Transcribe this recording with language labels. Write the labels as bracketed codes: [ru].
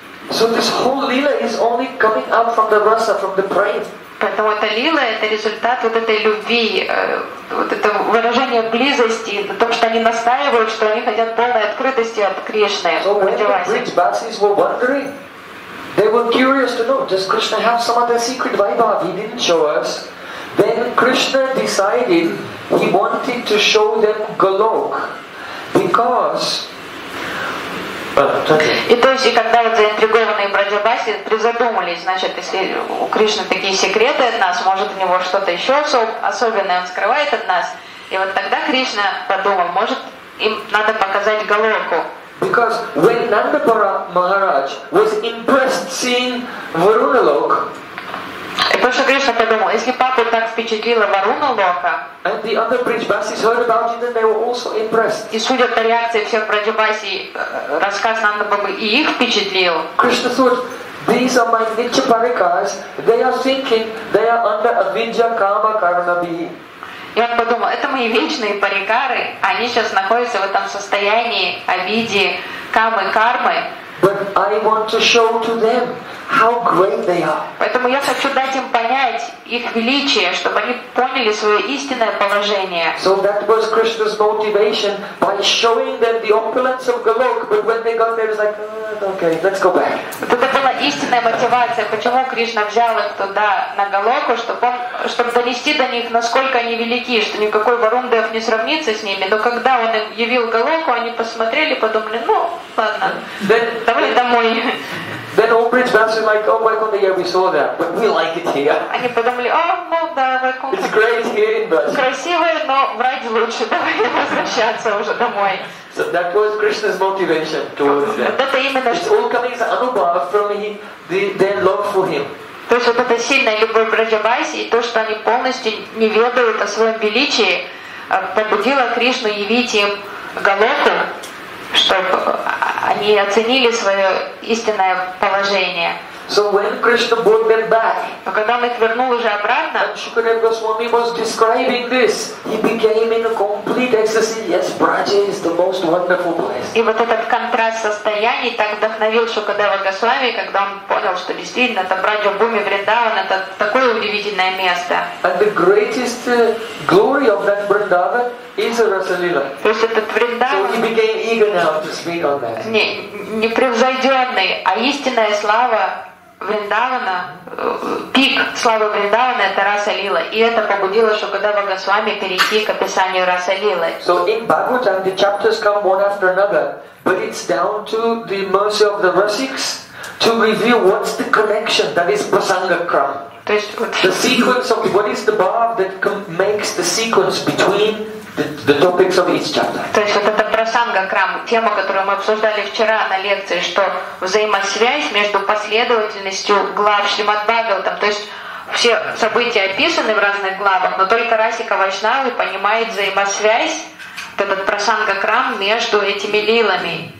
[en] So this whole Leela is only coming out from the rasa, from the prayer. [ru] Поэтому эта лила это результат вот этой любви, вот это выражение близости, то, что они настаивают, что они хотят полной открытости от Кришны. [en] So when the bridge buses were wondering, they were curious to know, does Krishna have some other secret vaibhav he didn't show us? Then Krishna decided he wanted to show them Golok, because [ru] И то есть, и когда вот заинтригованные Браджабаси призадумались, значит, если у Кришны такие секреты от нас, может у него что-то еще особенное он скрывает от нас, и вот тогда Кришна подумал, может им надо показать Голоку. [en] Because when Nanda Maharaj was impressed seeing Varuna Loka, [ru] и потому что Кришна подумал, если папу так впечатлила Варуна Лока, [en] and the other bridge buses heard about it, and they were also impressed. [ru] И судя по реакции всех Браджабаси, рассказ Нанда Бабы и их впечатлил. [en] Krishna thought, these are my Nitya Parikas, they are thinking, they are under Avijja Kama Karana Bihi. [ru] И он подумал, это мои вечные парикары, они сейчас находятся в этом состоянии обиде, камы, кармы. [en] But I want to show to them how great they are. [ru] Поэтому я хочу дать им понять их величие, чтобы они поняли свое истинное положение. [en] So that was Krishna's motivation by showing them the opulence of Golok. But when they got there, it was like, okay, let's go back. [ru] Вот это была истинная мотивация, почему Кришна взял их туда на Голоку, чтобы донести до них, насколько они велики, что никакой Варун Дев не сравнится с ними. Но когда он им явил Голоку, они посмотрели, подумали, ну ладно, давай домой. [en] Then all bridge bats were like, oh my god, yeah, we saw that, but we like it here. [ru] Они подумали, о, ну да, [en] it's great here in Braj. [ru] Красивое, но в Радже лучше, давай возвращаться уже домой. [en] So that was Krishna's motivation towards that. It's all coming as anubhava from their love for him. [ru] То есть вот эта сильная любовь Браджабаси и то, что они полностью не ведают о своем величии, побудило Кришну явить им Голоку, чтобы они оценили свое истинное положение. [en] So when Krishna brought them back, [ru] но когда он их вернул уже обратно, [en] and Shukadev Goswami was describing this, he became in a complete ecstasy. Yes, Braja is the most wonderful place. [ru] И вот этот контраст состояний так вдохновил Шукадева Госвами, когда он понял, что действительно это Браджа Буми Вриндаван, это такое удивительное место. [en] And the greatest glory of that Vrindavan is a Rasalila. [ru] То есть этот Вриндаван. [en] So he became eager now to speak on that. [ru] Непревзойденный, а истинная слава Вриндавана, пик славы Вриндавана — это Раса Лила. И это побудило Шукадева Госвами перейти к описанию Раса Лилы. [en] So in Bhagavatam the chapters come one after another, but it's down to the mercy of the Rasiks to reveal what's the connection that is Prasanga Kram. [ru] То есть вот [en] the sequence of what is the bhav that makes the sequence between the topics of each chapter. [ru] То есть вот это Прасанга Крам, тема, которую мы обсуждали вчера на лекции, что взаимосвязь между последовательностью глав Шримад Бхагаватам. То есть все события описаны в разных главах, но только Расика Вайшнавы понимает взаимосвязь, этот Прасанга Крам между этими лилами.